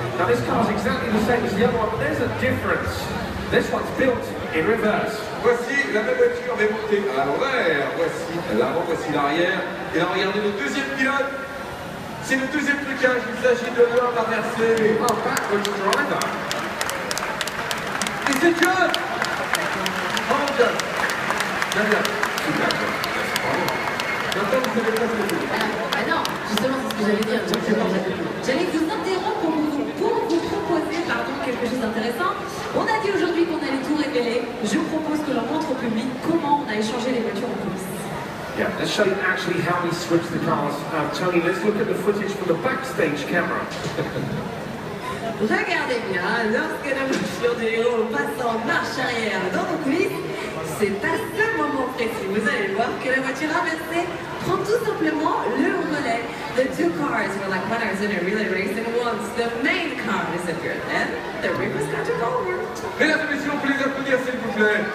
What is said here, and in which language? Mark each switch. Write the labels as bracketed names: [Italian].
[English] Now, this car's exactly the same as the other one, but there's a difference. This one's built in reverse. [French] Voici la même voiture, mais montée à l'envers. Voici l'avant, voici l'arrière. Et là, regardez le deuxième pilote. C'est le deuxième trucage. Il s'agit de l'homme à verser. [English] Oh, backwards driver. [French] Et c'est John. Bravo, John. Très bien. Super, John. Maintenant, vous avez pas ce que vous voulez. Non, justement, c'est ce que j'allais dire. J'allais vous interrompre pour vous proposer, pardon, quelque chose d'intéressant. On a dit aujourd'hui qu'on allait tout révéler. Je vous propose que l'on montre au public comment on a échangé les voitures en coulisses. [English] Yeah, let's show you actually how we switch the cars. Tony, let's look at the footage from the backstage camera. [French] Regardez bien, lorsque la voiture du héros passe en marche arrière dans nos coulisses, c'est à ce moment précis, vous allez voir, que la voiture inversée prend tout simplement le relais. [English] The two cars were like when I was in a relay race, and once the main car disappeared, then the reverse got to go over. [French] Mesdames et messieurs, on peut les applaudir s'il vous plaît.